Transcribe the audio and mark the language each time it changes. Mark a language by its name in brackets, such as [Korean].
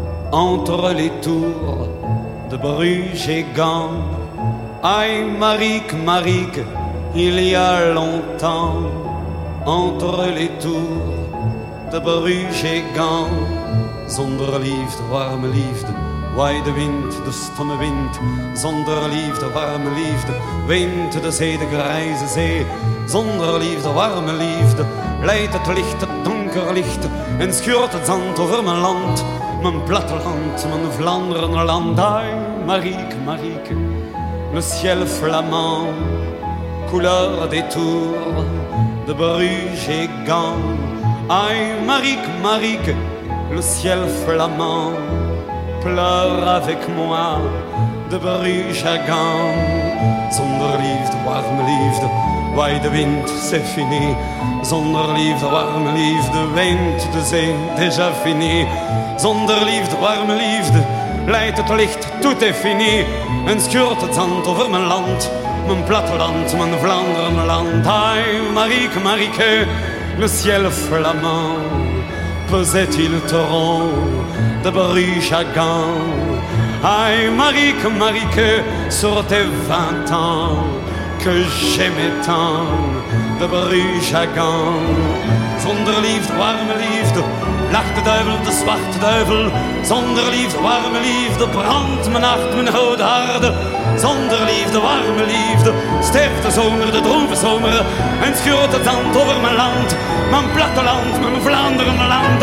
[French] Entre les tours de Bruges et Gand. Aïe, Marique, Marique, il y a longtemps. Entre les tours de Bruges et Gand. [Dutch] Zonder liefde, warme liefde, waai de wind, de stomme wind. Zonder liefde, warme liefde, wind de zee, de grijze zee. Zonder liefde, warme liefde, leidt het licht, het donker licht. En schuurt het zand over mijn land, mijn platteland, mijn Vlaanderen land. [French] Ai, Marieke, Marieke, le ciel flamand, couleur des tours, de Bruges et Gand. Ai, Marieke, Marieke, le ciel flamand, pleure avec moi, de Bruges à Gand. [Dutch] Zonder liefde, warme liefde, waai de wind, [French] c'est fini. [Dutch] Zonder liefde, warme liefde, wind de zee, [French] déjà fini. [Dutch] Zonder liefde, warme liefde, leidt het licht, [French] tout est fini. [Dutch] En schuurt het zand over mijn land, mijn platteland, mijn Vlaanderen land. [French] Ai, Marieke, Marieke, le ciel flamand, pesait-il torrent de Bruges à Gand. Aïe, Marieke, Marieke, sur tes 20 ans que j'aimais tant de Bruges à Gand. [Dutch] Zonder liefde, warme liefde, lacht de duivel, de zwarte duivel. Zonder liefde, warme liefde, brandt mijn hart, mijn oude harde. Zonder liefde, warme liefde, sterft de zomer, de droeve zomer. En schuurt het zand over mijn land, mijn platteland, mijn Vlaanderen land.